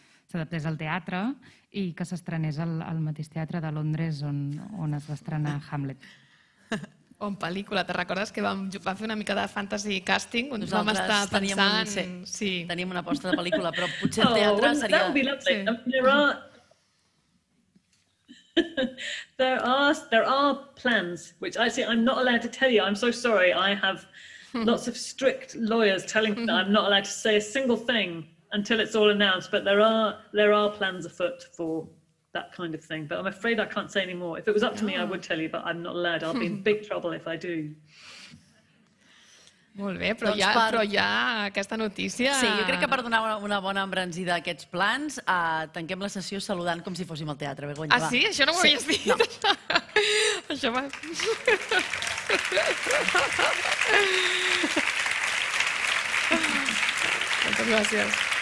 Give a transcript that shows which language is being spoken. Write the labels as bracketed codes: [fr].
[ca] s'adaptés al teatre i que s'estrenés al mateix teatre de Londres on es va estrenar Hamlet. On pel·lícula. Te recordes que vam fer una mica de fantasy casting? On nosaltres vam estar pensant... Teníem una aposta de pel·lícula, però potser el teatre seria... [en] There are plans, which I see. I'm not allowed to tell you. I'm so sorry. I have lots of strict lawyers telling me that I'm not allowed to say a single thing until it's all announced. But there are plans afoot for that kind of thing. But I'm afraid I can't say any more. If it was up to me, I would tell you, but I'm not allowed. I'll be in big trouble if I do. [ca] Molt bé, però doncs ja aquesta notícia... Sí, jo crec que per donar una bona embranzida a aquests plans, tanquem la sessió saludant com si fóssim al teatre. Begoña, ah, sí? Això no m'ho havies dit? No. Això va... Moltes gràcies.